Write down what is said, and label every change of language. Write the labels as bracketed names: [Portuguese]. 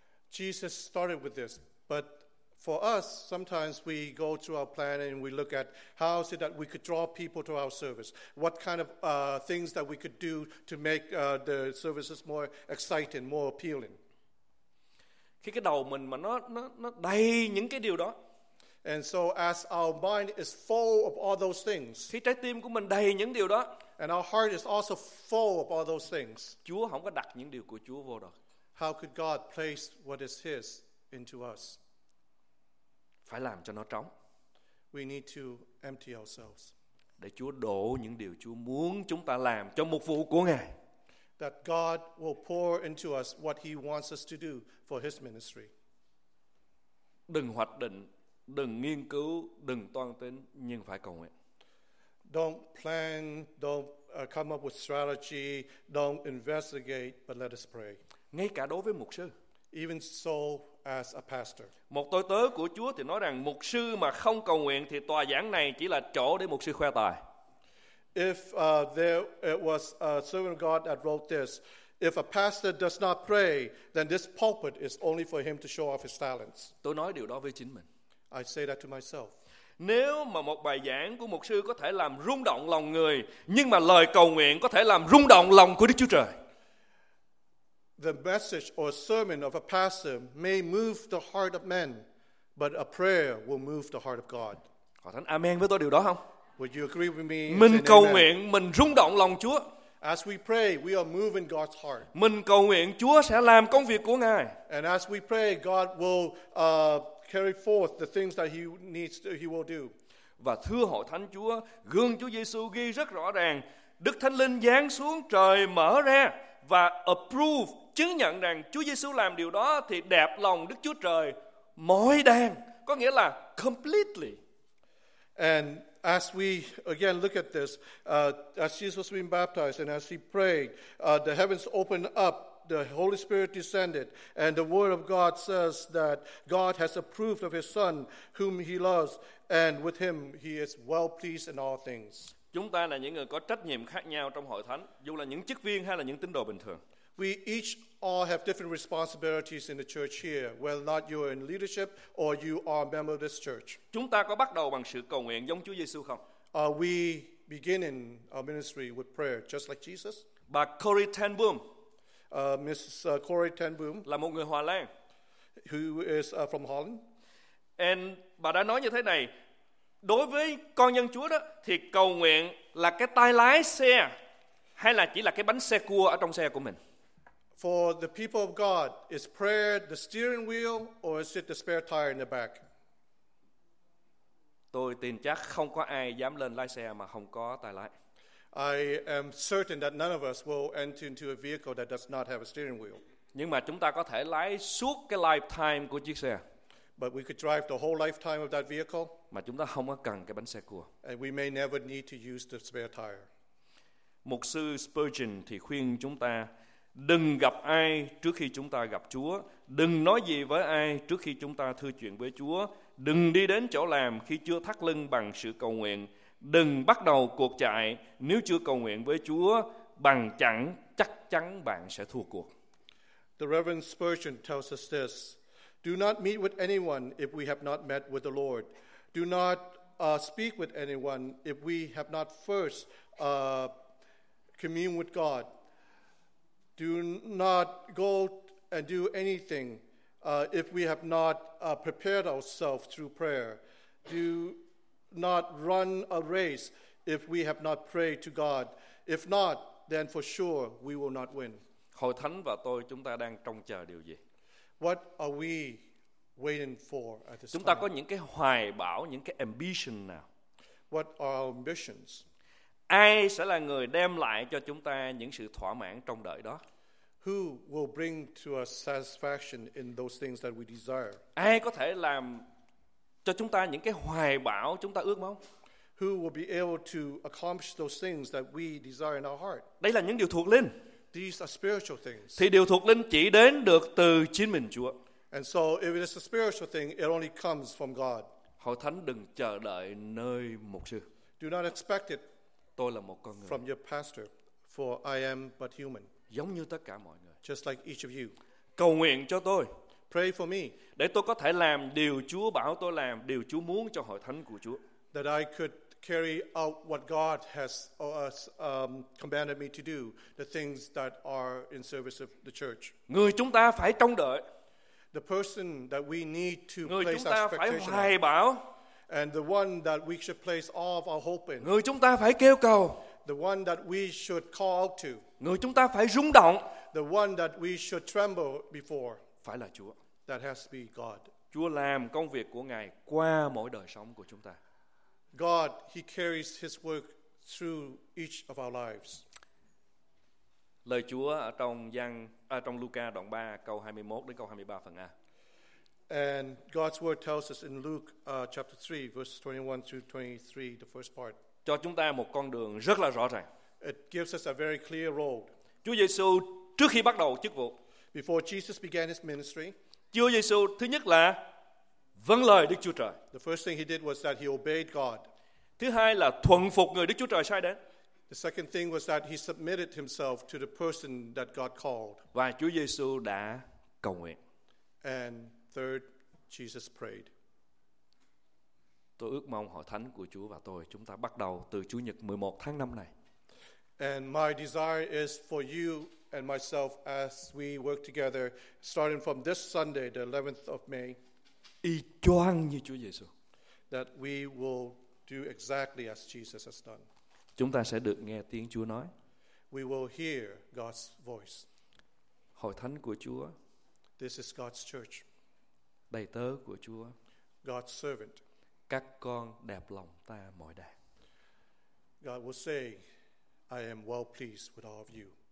[English] Jesus started with this, but for us, sometimes we go through our plan and we look at how is it that we could draw people to our service, what kind of things that we could do to make the services more exciting, more appealing. [Vietnamese] Khi cái đầu mình mà nó đầy những cái điều đó. [English] And so as our mind is full of all those things. [Vietnamese] Khi trái tim của mình đầy những điều đó. [English] And our heart is also full of all those things. [Vietnamese] Chúa không có đặt những điều của Chúa vô đó. [English] How could God place what is his into us? [Vietnamese] Phải làm cho nó trống. [English] We need to empty ourselves. [Vietnamese] Để Chúa đổ những điều Chúa muốn chúng ta làm cho mục vụ của Ngài. [English] that God will pour into us what he wants us to do for his ministry. [Vietnamese] Đừng hoạch định, đừng nghiên cứu, đừng toan tính, nhưng phải cầu nguyện. [English] Don't plan, don't come up with strategy, don't investigate, but let us pray. [Vietnamese] Ngay cả đối với mục sư. [English] Even so as a pastor. [Vietnamese] Một tôi tớ của Chúa thì nói rằng mục sư mà không cầu nguyện thì tòa giảng này chỉ là chỗ để mục sư khoe tài. [English] If it was a servant of God that wrote this, if a pastor does not pray, then this pulpit is only for him to show off his talents. [Vietnamese] Tôi nói điều đó với chính mình. [English] I say that to myself. [Vietnamese] Nếu mà một bài giảng của mục sư có thể làm rung động lòng người, nhưng mà lời cầu nguyện có thể làm rung động lòng của Đức Chúa Trời. [English] The message or sermon of a pastor may move the heart of men, but a prayer will move the heart of God. [Vietnamese] Hội thánh amen với tôi điều đó không? [English] Would you agree with me? [Vietnamese] Mình cầu nguyện, mình rung động lòng Chúa. [English] As we pray, we are moving God's heart. [Vietnamese] Mình cầu nguyện Chúa sẽ làm công việc của Ngài. [English] And as we pray, God will carry forth the things that he needs to, he will do. [Vietnamese] Và thưa hội thánh Chúa, gương Chúa Giêsu ghi rất rõ ràng, Đức Thánh Linh giáng xuống trời mở ra và [English] approve, [Vietnamese] chứng nhận rằng Chúa Giêsu làm điều đó thì đẹp lòng Đức Chúa Trời mỗi đàng, có nghĩa là [English] completely. And as we again look at this, as Jesus was being baptized and as he prayed, the heavens opened up, the Holy Spirit descended, and the word of God says that God has approved of his son whom he loves, and with him he is well pleased in all things. [Vietnamese] Chúng ta là những người có trách nhiệm khác nhau trong hội thánh, dù là những chức viên hay là những tín đồ bình thường. [English] We each all have different responsibilities in the church here, whether or not you are in leadership or you are a member of this church. [Vietnamese] Chúng ta có bắt đầu bằng sự cầu nguyện giống Chúa Giêsu không? [English] Are we beginning our ministry with prayer just like Jesus? [Vietnamese] Bà Corrie Ten Boom. [English] Mrs. Corrie Ten Boom. [Vietnamese] Là một người Hoa Lan. [English] Who is from Holland. [Vietnamese] And bà đã nói như thế này. Đối với con dân Chúa đó, thì cầu nguyện là cái tay lái xe hay là chỉ là cái bánh xe cua ở trong xe của mình? [English] For the people of God, is prayer the steering wheel or is it the spare tire in the back? [Vietnamese] Tôi tin chắc không có ai dám lên lái xe mà không có tay lái. [English] I am certain that none of us will enter into a vehicle that does not have a steering wheel. [Vietnamese] Nhưng mà chúng ta có thể lái suốt cái [English] lifetime [Vietnamese] của chiếc xe. [English] But we could drive the whole lifetime of that vehicle. [Vietnamese] Mà chúng ta không có cần cái bánh xe cua. [English] And we may never need to use the spare tire. [Vietnamese] Mục sư Spurgeon thì khuyên chúng ta đừng gặp ai trước khi chúng ta gặp Chúa, đừng nói gì với ai trước khi chúng ta thưa chuyện với Chúa, đừng đi đến chỗ làm khi chưa thắt lưng bằng sự cầu nguyện, đừng bắt đầu cuộc chạy nếu chưa cầu nguyện với Chúa, bằng chẳng chắc chắn bạn sẽ thua cuộc. [English] The Reverend Spurgeon tells us this: Do not meet with anyone if we have not met with the Lord. Do not speak with anyone if we have not first commune with God. Do not go and do anything if we have not prepared ourselves through prayer. Do not run a race if we have not prayed to God. If not, then for sure we will not win. [Vietnamese] Hội thánh và tôi, chúng ta đang trông chờ điều gì? [English] What are we waiting for at this time? [Vietnamese] Chúng ta có những cái hoài bão, những cái [English] ambition [Vietnamese] nào? [English] What are our ambitions? [Vietnamese] Ai sẽ là người đem lại cho chúng ta những sự thỏa mãn trong đời đó? [English] Who will bring to us satisfaction in those things that we desire? [Vietnamese] Ai có thể làm cho chúng ta những cái hoài bão chúng ta ước mong? [English] Who will be able to accomplish those things that we desire in our heart? [Vietnamese] Đây là những điều thuộc linh. [English] These are spiritual things. [Vietnamese] Thì điều thuộc linh chỉ đến được từ chính mình Chúa. [English] And so if it is a spiritual thing, it only comes from God. [Vietnamese] Hội thánh đừng chờ đợi nơi mục sư. [English] Do not expect it. [Vietnamese] Tôi là một con người. [English] From your pastor, for I am but human. [Vietnamese] Giống như tất cả mọi người. [English] Just like each of you. [Vietnamese] Cầu nguyện cho tôi. [English] Pray for me. [Vietnamese] Để tôi có thể làm điều Chúa bảo tôi làm, điều Chúa muốn cho hội thánh của Chúa. [English] That I could carry out what God has commanded me to do, the things that are in service of the church. [Vietnamese] Người chúng ta phải trông đợi. [English] The person that we need to [Vietnamese] người [English] place [Vietnamese] chúng ta [English] our expectation [Vietnamese] phải hoài bão. [English] And the one that we should place all of our hope in. [Vietnamese] Người chúng ta phải kêu cầu. [English] The one that we should call out to. [Vietnamese] Người chúng ta phải rung động. [English] The one that we should tremble before. [Vietnamese] Phải là Chúa. [English] That has to be God. [Vietnamese] Chúa làm công việc của Ngài qua mỗi đời sống của chúng ta. [English] God, he carries his work through each of our lives. [Vietnamese] lời Chúa ở trong trong Luca đoạn 3 câu 21 đến câu 23 phần A. [English] And God's word tells us in Luke chapter 3 verse 21 through 23 the first part. [Vietnamese] Cho chúng ta một con đường rất là rõ ràng. [English] It gives us a very clear road. [Vietnamese] Chúa Giêsu trước khi bắt đầu chức vụ. [English] Before Jesus began his ministry. [Vietnamese] Chúa Giêsu thứ nhất là vâng lời Đức Chúa Trời. [English] The first thing he did was that he obeyed God. [Vietnamese] Thứ hai là thuận phục người Đức Chúa Trời sai đến. [English] The second thing was that he submitted himself to the person that God called. [Vietnamese] Và Chúa Giêsu đã cầu nguyện. [English] And third, Jesus prayed. [Vietnamese] Tôi ước mong hội thánh của Chúa và tôi chúng ta bắt đầu từ Chủ nhật 11 tháng 5 này. [English] And my desire is for you and myself as we work together starting from this Sunday the 11th of May. [Vietnamese] Y choang như Chúa Giêsu. [English] That we will do exactly as Jesus has done. [Vietnamese] Chúng ta sẽ được nghe tiếng Chúa nói. [English] We will hear God's voice. [Vietnamese] Hội thánh của Chúa. [English] This is God's church. [Vietnamese] Đầy tớ của Chúa. [English] God's servant. [Vietnamese] Các con đẹp lòng ta mọi đàng. [English] God will say, I am well pleased with all of you.